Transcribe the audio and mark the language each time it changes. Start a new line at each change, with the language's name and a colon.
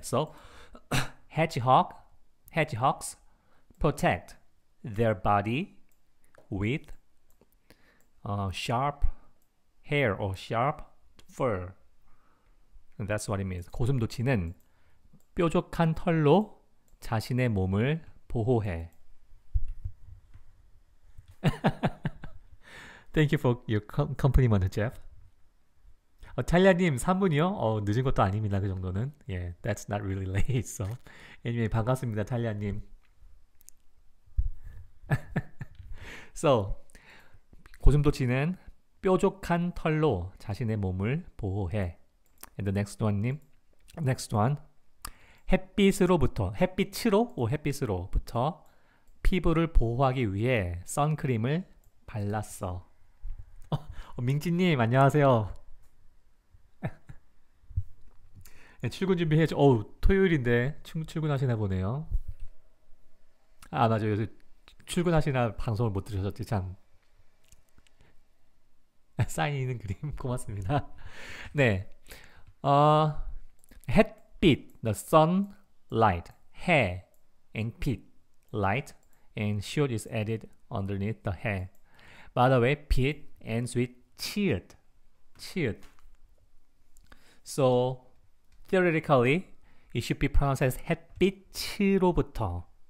English: So, hedgehogs protect their body with sharp hair or sharp fur. And that's what it means.
Korean: 고슴도치는 뾰족한 털로 자신의 몸을 보호해.
English: Thank you for your compliment, Jeff.
Korean: 탈리아님, 3분이요? 늦은 것도 아닙니다, 그 정도는.
English: Yeah, that's not really late, so. Anyway,
Korean: 반갑습니다,
English: 탈리아님.
Korean: So, 고슴도치는 뾰족한 털로 자신의 몸을 보호해.
English: And the next one, 님. Next one.
Korean: 햇빛으로부터, 햇빛으로, 오, 햇빛으로부터 피부를 보호하기 위해 선크림을 발랐어. 민지님, 안녕하세요. 네, 출근 준비해야죠. 어우, 토요일인데 출근하시나 보네요. 아, 맞아요. 요새 출근하시나 방송을 못 들으셨지, 참. 사인 있는 그림, 고맙습니다. 네.
English: 햇빛, the sunlight, hair, and pit, light, and shield is added underneath the hair. By the way, Pete ends with cheered. Cheered. So, theoretically, it should be pronounced as 햇빛으로부터.